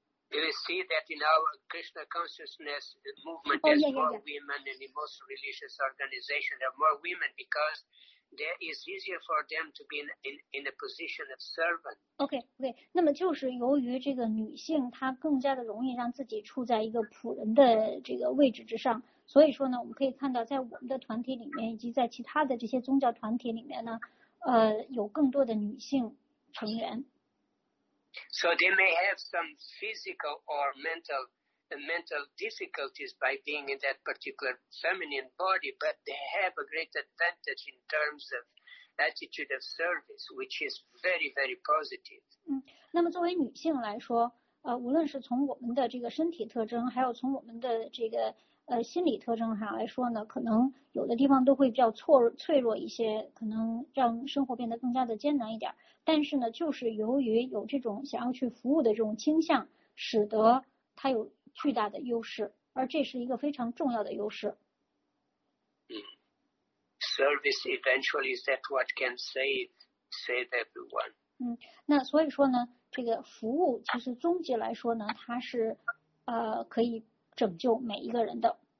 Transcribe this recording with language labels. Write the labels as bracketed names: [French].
[English] Do you see that in our Krishna consciousness movement, there's more women than in most religious organizations? There are more women because there is easier for them to be in a position of servant. Okay. [Chinese] 那么就是由于这个女性她更加的容易让自己处在一个仆人的这个位置之上。所以说呢，我们可以看到，在我们的团体里面，以及在其他的这些宗教团体里面呢，有更多的女性成员。 [English] So they may have some physical or mental difficulties by being in that particular feminine body, but they have a great advantage in terms of attitude of service, which is very, very positive. [Chinese] 那么作为女性来说，无论是从我们的这个身体特征，还有从我们的这个心理特征上来说呢，可能有的地方都会比较脆弱一些，可能让生活变得更加的艰难一点。但是呢，就是由于有这种想要去服务的这种倾向，使得他有巨大的优势，而这是一个非常重要的优势。 [English] Service eventually is that what can save everyone. [Chinese] 那所以说呢，这个服务其实终极来说呢，它是可以拯救每一个人的。